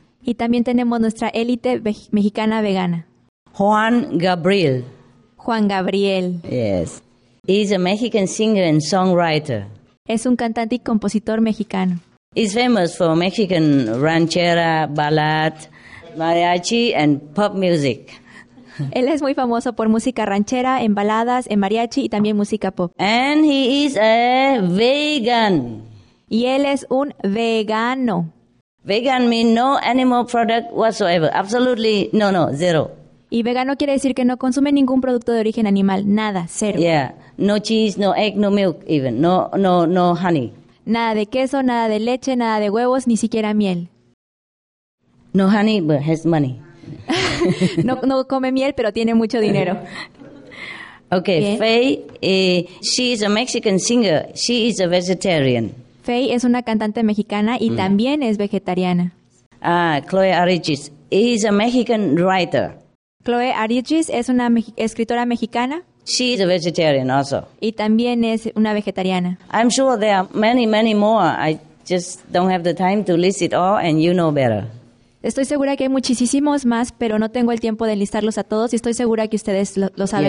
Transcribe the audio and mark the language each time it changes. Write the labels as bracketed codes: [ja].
[es] Y también tenemos nuestra élite mexicana vegana. Juan Gabriel. Juan Gabriel. [en] Yes. He's a Mexican singer and songwriter. [es] Es un cantante y compositor mexicano. [en] He's famous for Mexican ranchera, ballad, mariachi and pop music. [es] Él es muy famoso por música ranchera, en baladas, en mariachi y también música pop. [en] And he is a vegan. [es] Y él es un vegano. [en] Vegan means no animal product whatsoever. Absolutely, no, no, zero. [es] Y vegano quiere decir que no consume ningún producto de origen animal, nada, cero. [en] Yeah, no cheese, no egg, no milk even, no honey. [es] Nada de queso, nada de leche, nada de huevos, ni siquiera miel. [en] No honey, but has money. [es] No come miel, pero tiene mucho dinero. [en] Okay, [es] bien. [en] Faye, she is a Mexican singer, she is a vegetarian. [es] Faye es una cantante mexicana y también es vegetariana. [en] Ah, Chloe Arichis, he is a Mexican writer. [es] Chloe Arichis es una escritora mexicana. [en] She is a vegetarian also. [es] Y también es una vegetariana. [en] I'm sure there are many, many more. I just don't have the time to list it all and you know better. [es] Estoy segura que hay muchísimos más, pero no tengo el tiempo de listarlos a todos y estoy segura que ustedes lo saben,